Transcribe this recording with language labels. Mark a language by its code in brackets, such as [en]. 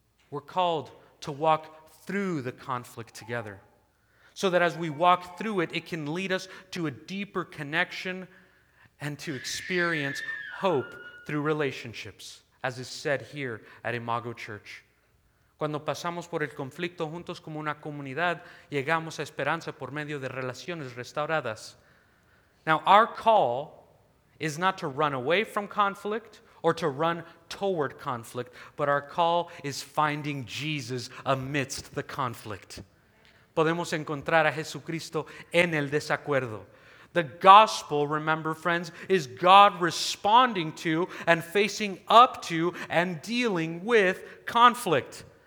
[en] We're called to walk through the conflict together so that as we walk through it, it can lead us to a deeper connection and to experience hope through relationships, as is said here at Imago Church. [es] Cuando pasamos por el conflicto juntos como una comunidad, llegamos a esperanza por medio de relaciones restauradas. [en] Now, our call is not to run away from conflict or to run toward conflict, but our call is finding Jesus amidst the conflict. [es] Podemos encontrar a Jesucristo en el desacuerdo. [en] The gospel, remember, friends, is God responding to and facing up to and dealing with conflict.